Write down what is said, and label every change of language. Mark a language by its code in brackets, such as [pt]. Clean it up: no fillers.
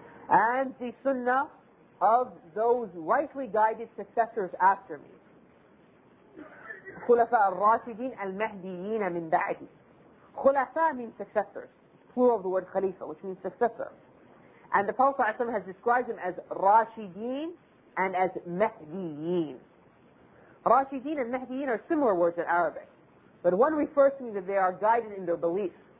[en] And the sunnah of those rightly guided successors after me. [ar] خلفاء الراشدين المهديين من بعدي. [en] خلفاء means successors, plural of the word خليفة, which means successor. And the Prophet ﷺ has described them as راشدين and as مهديين. راشدين and مهديين are similar words in Arabic, but one refers to me that they are guided in their beliefs.